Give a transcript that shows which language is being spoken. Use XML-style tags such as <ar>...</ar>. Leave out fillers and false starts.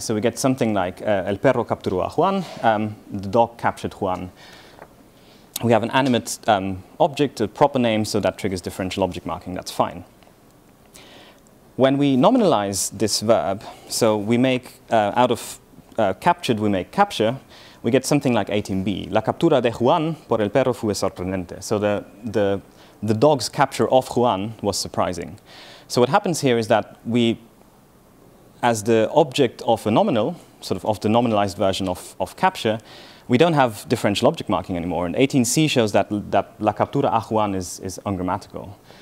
<en>So we get something like,</en> <es>el perro capturó a Juan,</es> <en>the dog captured Juan. We have an animate object, a proper name, so that triggers differential object marking, that's fine. When we nominalize this verb, so we make, out of captured, we make capture, we get something like 18b.</en> <es>La captura de Juan por el perro fue sorprendente.</es> <en>So the dog's capture of Juan was surprising. So what happens here is that we, as the object of a nominal, sort of the nominalized version of capture, we don't have differential object marking anymore. And 18c shows that that</en> <es>la captura a Juan</es> <en>is ungrammatical.</en>